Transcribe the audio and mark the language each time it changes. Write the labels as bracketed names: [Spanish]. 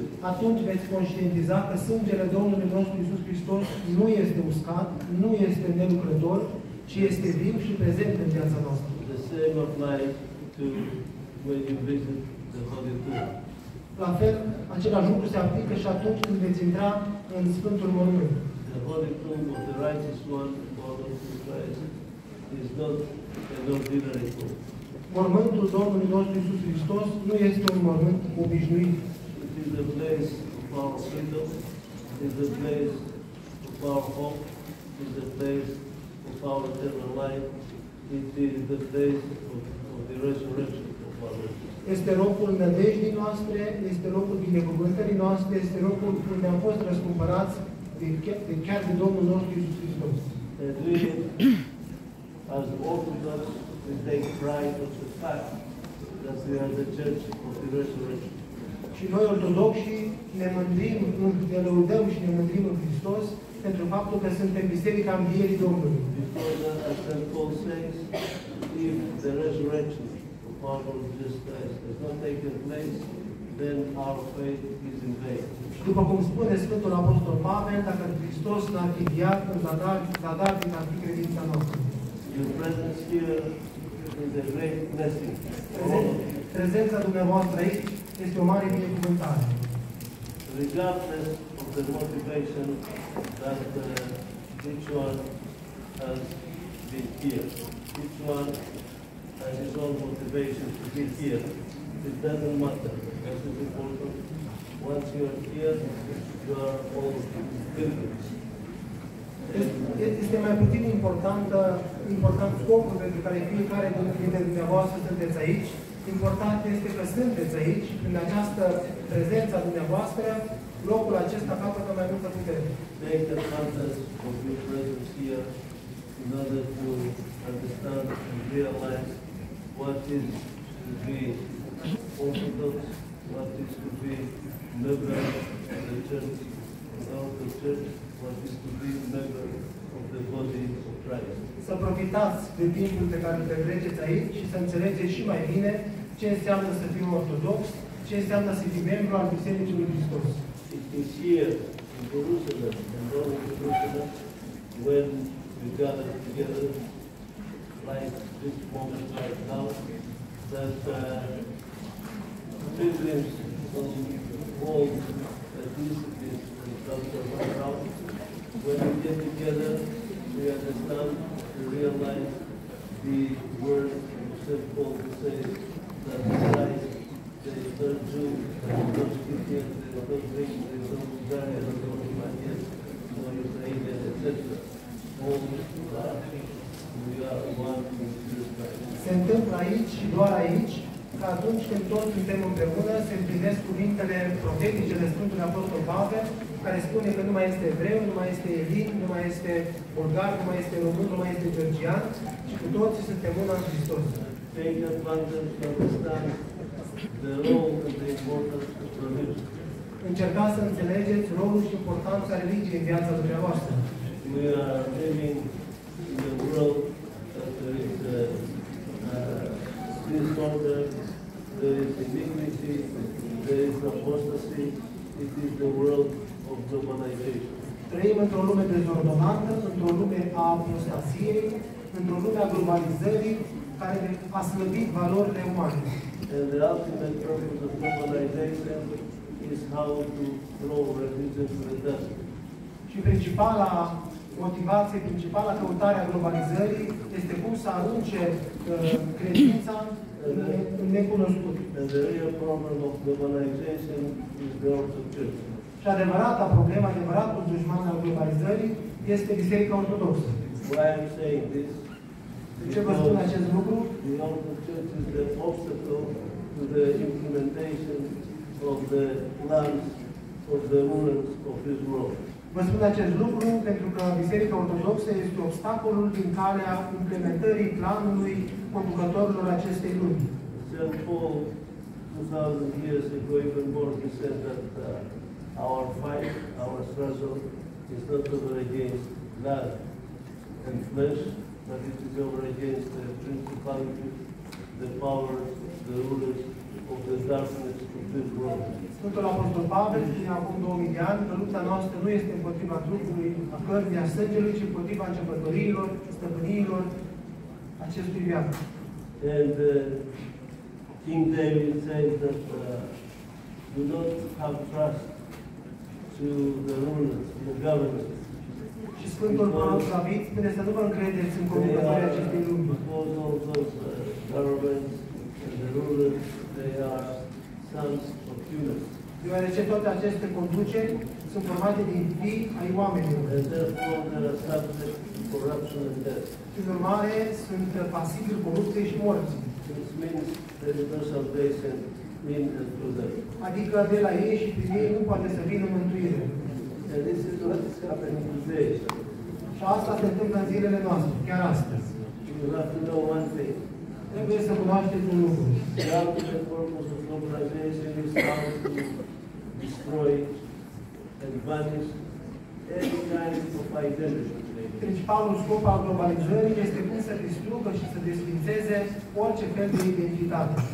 [Romanian] atunci veți conștientiza că sângele Domnului nostru Iisus Hristos nu este uscat, nu este nelucrător, ci este viu și prezent în viața noastră. [English] The same applies to when you visit the Holy Tomb. [Romanian] La fel, același lucru se aplică și atunci când veți intra în Sfântul Mormânt. [English] The Holy Tomb of the Righteous One, Lord of Christ, is not an ordinary tomb. [Romanian] Mormântul Domnului nostru Iisus Hristos nu este un mormânt obișnuit. [English] It is a place of our freedom, it is a place of our hope, it is a place of our eternal life, it is the place of the resurrection of our Lord. [Romanian] Este locul nădejdii noastre, este locul binecuvântării noastre, este locul unde am fost răscumpărați de chiar de Domnul nostru Iisus Hristos. [English] And we, as Orthodox, we take pride of the fact that we are the Church of the Resurrection. [Romanian] Și noi ortodoxi ne mândrim, ne lăudăm și ne mândrim în Hristos pentru faptul că suntem Biserica Învierii Domnului. [English] Before that, as St. Paul says, if the resurrection of our Lord Jesus Christ has not taken place, then our faith is in vain. [Romanian] Și după cum spune Sfântul Apostol Pavel, dacă Hristos n-ar fi viat, zadar din ar fi credința noastră. [English] Your presence here is a great blessing. [Romanian] Prezența dumneavoastră aici este o mare binecuvântare. [English] Regardless of the motivation that each one has been here, each one has his own motivation to be here. It doesn't matter. That is important. Once you are here, you are all pilgrims. [Romanian] Este mai puțin important scopul pentru care fiecare dintre dumneavoastră sunteți aici. Important este că sunteți aici, în această prezență a dumneavoastră, locul acesta capătă mai multă putere. [English] Take the chances of your presence here in order to understand and realize what is to be Orthodox, what is to be member of the Church, without the Church, what is to be member of the body of Christ. [Romanian] Să profitați de timpul pe care îl petreceți aici și să înțelegeți și mai bine ce înseamnă să fim ortodox, ce înseamnă să fim membru al Bisericii lui Hristos. [English] It is here, in Jerusalem, in Rome, in Jerusalem, when we gather together, like this moment right now, that pilgrims from all the disciplines and culture right now, when we get together, we understand, we realize the word of St. Paul to say that Christ, the third Jew, the first Christian, the first Greek, the first Bulgarian, the first Romanian, the first Ukrainian, etc. All that we are one with Jesus Christ. [Romanian] Se întâmplă aici și doar aici, că atunci când toți suntem împreună, se împlinesc cuvintele profetice de Sfântul Apostol Pavel, care spune că nu mai este evreu, nu mai este elin, nu mai este bulgar, nu mai este român, nu mai este georgian, ci cu toții suntem una în Hristos. [English] Take advantage to understand the role and the importance of religion. [Romanian] Încercați să înțelegeți rolul și importanța religiei în viața dumneavoastră. [English] We are living in a world that there is a disorder, there is iniquity, there is apostasy, it is the world of globalization. [Romanian] Trăim într-o lume dezordonată, într-o lume a apostasiei, într-o lume a globalizării care a slăbit valorile umane. [English] And the ultimate purpose of globalization is how to throw religion to the dust. [Romanian] Și principala motivație, principala căutare a globalizării este cum să arunce credința în necunoscut. [English] And the real problem of globalization is the Orthodox Church. [Romanian] Și adevărata problemă, adevăratul dușman al globalizării este Biserica Ortodoxă. [English] Why am I saying this? [Romanian] De ce vă spun acest lucru? [English] The Orthodox Church is the obstacle to the implementation of the plans of the rulers of this world. [Romanian] Vă spun acest lucru pentru că Biserica Ortodoxă este obstacolul din calea implementării planului conducătorilor acestei lumi. [English] St. Paul, 2000 years ago, even more, he said that our fight, our struggle, is not over against blood and flesh, but it is over against the principalities, the powers, the rulers of the darkness of [Romanian] Sfântul Apostol Pavel spune acum 2000 de ani că lupta noastră nu este împotriva trupului, a cărnii, a sângelui, ci împotriva începătorilor, stăpâniilor acestui viață. [English] And King David says that do not have trust to the rulers, the governors. [Romanian] Și Sfântul Paul David spune să nu vă încredeți în conducătorii acestei lumi. [English] Because of those governments and the rulers, they are sons of humans. [Romanian] Deoarece toate aceste conduceri sunt formate din fii ai oamenilor. [English] And therefore they are subject to corruption and death. [Romanian] Prin urmare, sunt pasibil corupției și morții. [English] This means the universal grace and mean and through them. [Romanian] Adică de la ei și prin ei nu poate să vină mântuire. [English] And this is what is happening today. [Romanian] Și asta se întâmplă în zilele noastre, chiar astăzi. [English] You have to know one thing. [Romanian] Trebuie să cunoașteți un lucru. [English] The ultimate purpose of globalization is how to destroy and vanish any kind of identity. [Romanian] Principalul scop al globalizării este cum să distrugă și să desfințeze orice fel de identitate.